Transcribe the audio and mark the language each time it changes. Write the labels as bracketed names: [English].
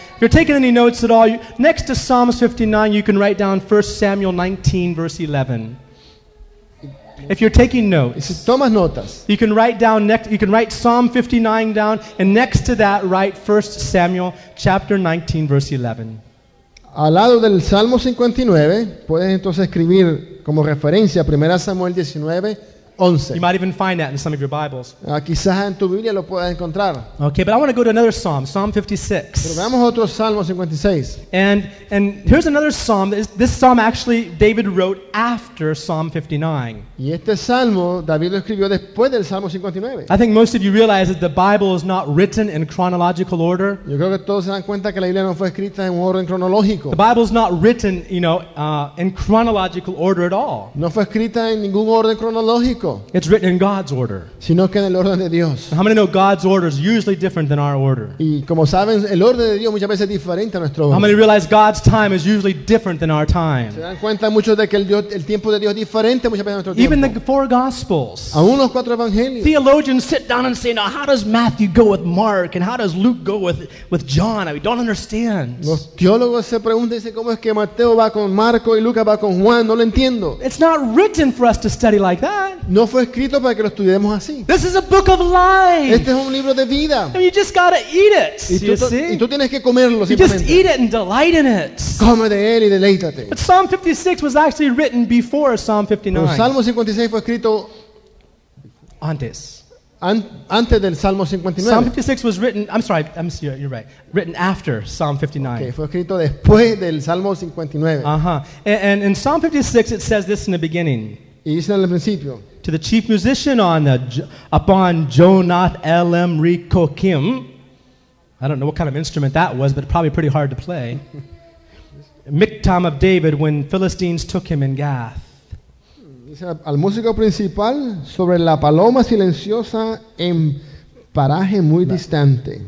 [English] If you're taking any notes at all, next to Psalms 59, you can write down 1 Samuel 19, verse 11. If you're taking notes, [Spanish] tomas notas. [English] You can write down next. You can write Psalm 59 down, and next to that, write 1 Samuel chapter 19, verse 11. [Spanish] Al lado del Salmo 59, puedes entonces escribir como referencia 1 Samuel 19, 11. [English] You might even find that in some of your Bibles. [Spanish] Quizás en tu Biblia lo puedas encontrar. [English] Okay, but I want to go to another Psalm, Psalm 56. [Spanish] Pero veamos otro Salmo 56. [English] And here's another Psalm. This Psalm actually David wrote after Psalm 59. [Spanish] Y este Salmo David lo escribió después del Salmo 59. [English] I think most of you realize that the Bible is not written in chronological order. [Spanish] Yo creo que todos se dan cuenta que la Biblia no fue escrita en un orden cronológico. [English] The Bible is not written, you know, in chronological order at all. [Spanish] No fue escrita en ningún orden cronológico. [English] It's written in God's order. [Spanish] Sino que en el orden de Dios. [English] How many know God's order is usually different than our order? [Spanish] Y como saben, el orden de Dios muchas veces es diferente a nuestro orden. [English] How many realize God's time is usually different than our time? [Spanish] Se dan cuenta mucho de que el tiempo de Dios es diferente muchas veces a nuestro tiempo. [English] Even the four Gospels. [Spanish] Aún los cuatro evangelios. [English] Theologians sit down and say, "Now, how does Matthew go with Mark, and how does Luke go with John?" I mean, don't understand. [Spanish] Los teólogos se preguntan, dicen, ¿cómo es que Mateo va con Marco y Lucas va con Juan? No lo entiendo. [English] It's not written for us to study like that. [Spanish] No fue escrito para que lo estudiemos así. [English] This is a book of life. [Spanish] Este es un libro de vida. [English] I mean, you just gotta eat it. [Spanish] Y tú tienes que comerlo. [English] You just eat it and delight in it. [Spanish] Come de él y deleítate. [English] But Psalm 56 was actually written before Psalm 59. [Spanish] El Salmo 56 fue escrito antes. Antes del Salmo 59. [English] Psalm 56 was written. I'm sorry. You're right. Written after Psalm 59. [Spanish] Okay, fue escrito después del Salmo 59. Uh-huh. [English] And in Psalm 56, it says this in the beginning. To the chief musician upon Jonath Elam Rekokim. I don't know what kind of instrument that was, but probably pretty hard to play. Miktam of David when Philistines took him in Gath. [Spanish] Al músico principal sobre la paloma silenciosa en paraje muy distante.